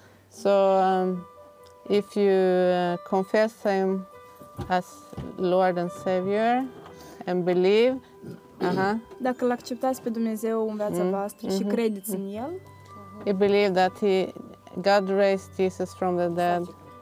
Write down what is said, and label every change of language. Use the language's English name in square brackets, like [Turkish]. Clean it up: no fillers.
[English] So, if you confess him as Lord and Savior and believe, [Romanian] dacă l-acceptați pe Dumnezeu în viața voastră și credeți în el, [English] you believe that he God raised Jesus from the dead.